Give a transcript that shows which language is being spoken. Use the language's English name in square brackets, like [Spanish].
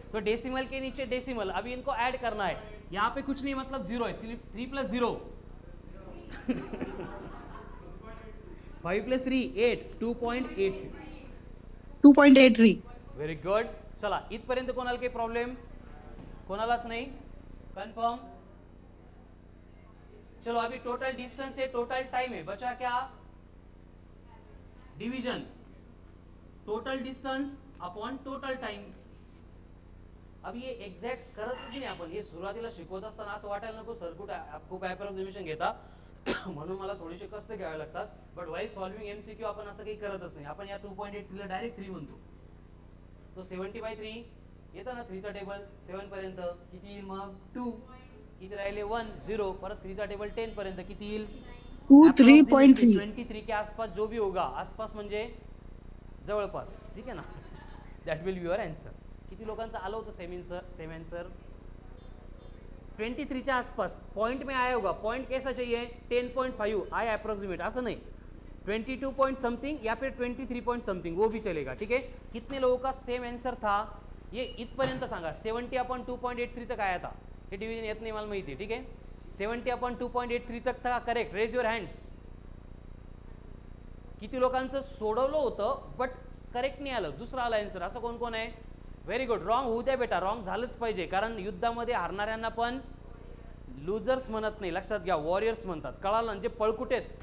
[Hindi] तो डेसिमल के नीचे डेसिमल, अभी इनको ऐड करना है, यहाँ पे कुछ नहीं मतलब 0 है, 3 प्लस 0 5 प्लस 3 8 2.83, वेरी गुड। [Marathi] चला इथपर्यंत कोणाला काही प्रॉब्लेम, कोणालाच नाही, कन्फर्म। [Hindi] चलो अभी टोटल डिस्टन्स है, टोटल टाइम है, बचा क्या, division, total distance upon total time. [Marathi] अभी ये एक्झॅक्ट करतच नाही आपण, हे सुरुवातीला शिकवत असताना असं वाटायला नको सर कुठे खूप अप्रॉक्सिमेशन घेता म्हणून मला थोडेसे कष्ट घ्यावे लागतात, बट व्हाईल सॉल्विंग एमसीक्यू आपण असं काही करतच नाही, आपण या 2.83 डायरेक्ट 3 म्हणतो, तो 70/3 येतं ना, 3 चा टेबल 7 पर्यंत किती येईल, मग 2 किती राहिले, 1 0, परत 3 चा टेबल 10 पर्यंत किती येईल, 2 3.3, 23 के आसपास जो भी होगा, आसपास म्हणजे जवळपास, ठीक आहे ना, that will be your answer. किती लोकांचं आलं होतं सेम आन्सर, 23 च्या आसपास, [Hindi] पॉइंट मे आया होगा, पॉइंट कैसा चाहिए, [Marathi] 10.5 आय अप्रॉक्सिमेट, असं नाही 22 पॉइंट समथिंग या फिर 23 पॉइंट समथिंग वो भी चलेगा, ठीक है। [Hindi] कितने लोगों का सेम आंसर था ये [Marathi] इतपर्यंत सांगा, [Hindi] 70/2.83 तक आया था, ये डिविजन इतने माल में ही थी, ठीक है, 70/2.83 तक था, करेक्ट, रेज योर हैंड्स। [Marathi] किती लोकांचं सोडवलं होतं बट करेक्ट नहीं आलं, दुसरा आला आंसर, असं कोण कोण आहे, व्हेरी गुड, रॉन्ग होऊ द्या बेटा, रॉन्ग झालंच पाहिजे, कारण युद्धामध्ये हारणाऱ्यांना पण लूजर्स म्हणत नाही, लक्षात घ्या, वॉरियर्स म्हणतात, कळालं, जे पळकुटेत